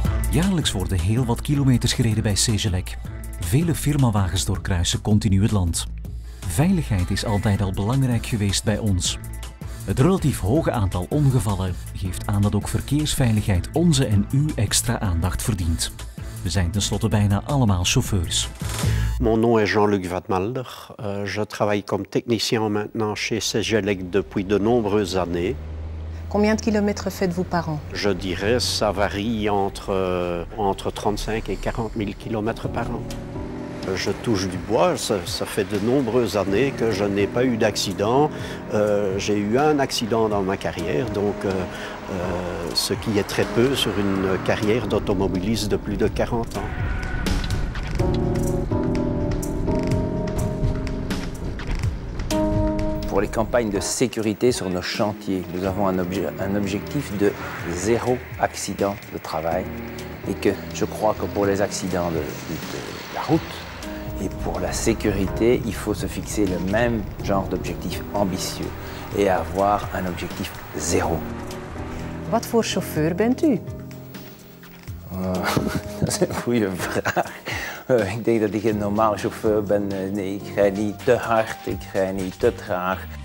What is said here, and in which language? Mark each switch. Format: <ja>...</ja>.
<nl>Jaarlijks worden heel wat kilometers gereden bij Sejelec. Vele firmawagens doorkruisen continu het land. Veiligheid is altijd al belangrijk geweest bij ons. Het relatief hoge aantal ongevallen geeft aan dat ook verkeersveiligheid onze en uw extra aandacht verdient. We zijn tenslotte bijna allemaal chauffeurs.</nl> <fr>Mon nom est Jean-Luc Vatmalder. Je travaille comme technicien maintenant chez Sejelec depuis de nombreuses années. Combien de kilomètres faites-vous par an? Je dirais ça varie entre 35 et 40 000 kilomètres par an. Je touche du bois, ça fait de nombreuses années que je n'ai pas eu d'accident. J'ai eu un accident dans ma carrière, donc ce qui est très peu sur une carrière d'automobiliste de plus de 40 ans. Pour les campagnes de sécurité sur nos chantiers, nous avons un objectif de zéro accident de travail. Et que je crois que pour les accidents de la route et pour la sécurité, il faut se fixer le même genre d'objectif ambitieux et avoir un objectif zéro.</fr> <nl>Wat voor chauffeur bent u? Dat is een goede vraag. Ik denk dat ik een normaal chauffeur ben. Nee, ik rijd niet te hard, ik rijd niet te traag.</nl>